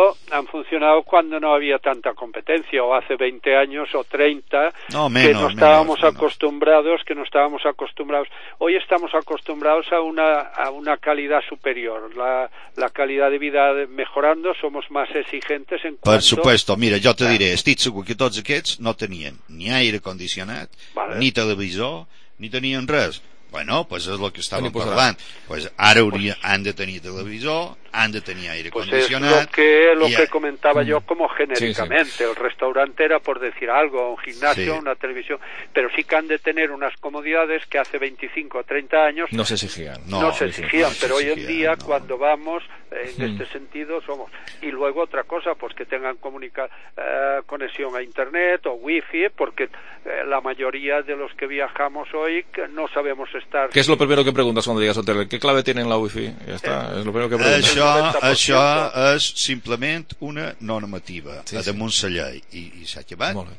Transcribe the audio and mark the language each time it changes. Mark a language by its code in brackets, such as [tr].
[ca] han funcionat quan no hi havia tanta competència, o hace 20 anys o 30, [es] no, menos, que no estàvamos acostumbrados, que no estàvamos acostumbrados. Hoy estamos acostumbrados a una calidad superior, la calidad de vida mejorando, somos más exigentes en cuanto... [ca] Per supuesto, mira, jo te diré, estic segur que tots aquests no tenien ni aire condicionat, vale, ni televisor, ni tenien res. Bueno, pues és el que estàvem parlant. Pues ara han de tenir televisor, han de tenir aire condicionat. [es] Pues es lo que comentaba yo como genéricamente. Sí, sí. El restaurante era, por decir algo, un gimnasio, sí, una televisión. Pero sí que han de tener unas comodidades que hace 25 o 30 años... No se exigían. No se exigían, pero hoy en día, cuando vamos, en este sentido, somos... Y luego otra cosa, pues que tengan conexión a internet o wifi, porque la mayoría de los que viajamos hoy no sabemos estar... ¿Qué es lo primero que preguntas cuando llegas al hotel? ¿Qué clave tienen la wifi? Ya está, es lo primero que preguntas. [ca] Això és simplement una normativa, sí, sí, damunt la llei, i s'ha acabat.